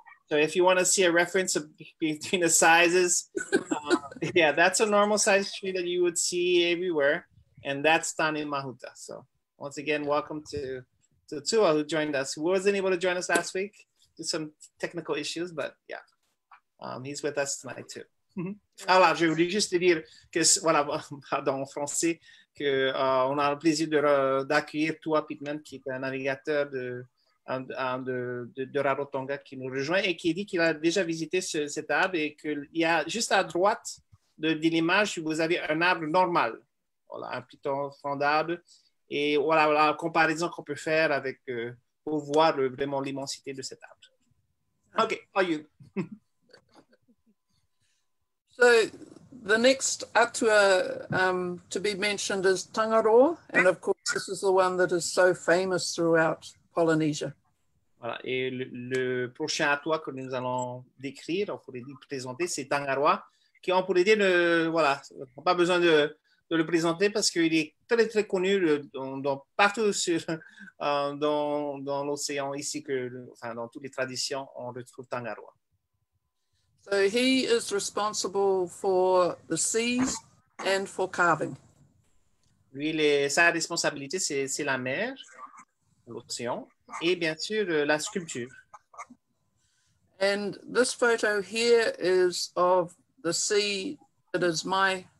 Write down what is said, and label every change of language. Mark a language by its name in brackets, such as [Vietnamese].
[English] So if you want to see a reference between the sizes, that's a normal size tree that you would see everywhere. And that's Tani Mahuta. So once again, welcome to Tua, who joined us. Who wasn't able to join us last week due to some technical issues, but he's with us tonight too. [French] Alors, je voulais juste dire que, pardon, en français, qu'on a le plaisir d'accueillir Tua Pittman, qui est un navigateur de Rarotonga qui nous rejoint et qui dit qu'il a déjà visité cet arbre et qu'il y a juste à droite de l'image, vous avez un arbre normal, un piton fond d'arbre. Et la comparaison qu'on peut faire avec pour voir vraiment l'immensité de cet arbre. [English] OK, are you? So the next atua to be mentioned is Tangaroa. And of course, this is the one that is so famous throughout Polynesia. [French] Voilà. Et le prochain atua que nous allons décrire, on pourrait dire présenter, c'est Tangaroa, qui on pourrait dire, pas besoin de le présenter parce qu'il est très, très connu dans l'océan ici, dans toutes les traditions, on retrouve Tangaroa. [English] So he is responsible for the seas and for carving. [French] Lui, sa responsabilité, c'est la mer, l'océan, et bien sûr, la sculpture. [English] And this photo here is of the sea that is my